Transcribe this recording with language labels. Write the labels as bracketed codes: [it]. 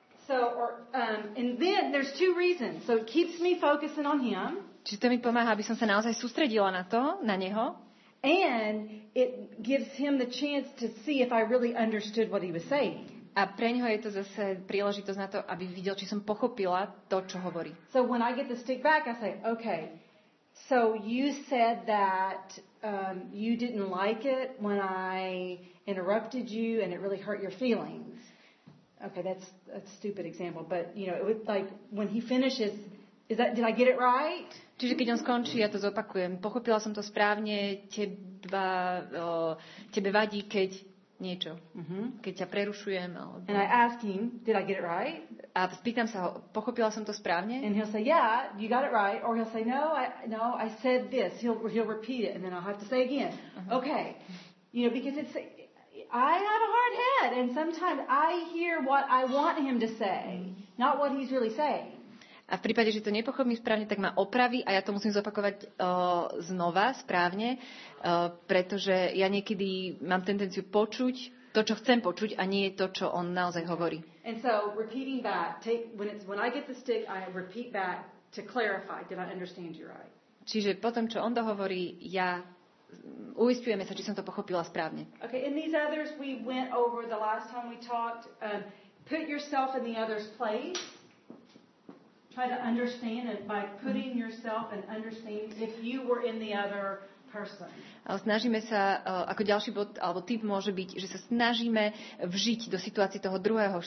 [en] So, and then there's two reasons. So it keeps me focusing on him. [sk] Čiže to mi pomáha, aby som sa naozaj sústredila na to, na neho. [en] And it gives him the chance to see if I really understood what he was saying. [sk] A pre ňoho je to zase príležitosť na to, aby videl, či som pochopila to, čo hovorí. [en] So when I get the stick back, I say, okay, So you said that you didn't like it when I interrupted you and it really hurt your feelings. Okay, that's a stupid example, but you know, it was like when he finishes, is that, did I get it right? [sk] Čiže keď on skončí, ja to zopakujem. Pochopila som to správne, tebe vadí, keď niečo. Mm-hmm. Keď ťa prerušujem. Alebo... [en] And I ask him, did I get it right? [sk] A spýtam sa ho, pochopila som to správne? [en] And he'll say, yeah, you got it right. Or he'll say, no, I said this. He'll repeat it, and then I'll have to say again. Mm-hmm. Okay. You know, because it's, I have a hard head, and sometimes I hear what I want him to say, not what he's really saying. [sk] A v prípade, že to nepochopí správne, tak ma opraví a ja to musím zopakovať znova správne, pretože ja niekedy mám tendenciu počuť to, čo chcem počuť a nie to, čo on naozaj hovorí. [en] And so, repeating back, when I get the stick, I repeat back to clarify, did I understand you right? [sk] Čiže potom, čo on dohovorí, ja uisťujeme sa, či som to pochopila správne. [en] Okay, in these others we went over the last time we talked, put yourself in the other's place. Try to understand it by putting yourself and understand if you were in the other person. [sk] Snažíme sa, ako ďalší bod, alebo tip môže byť, že sa snažíme vžiť do situácie toho druhého.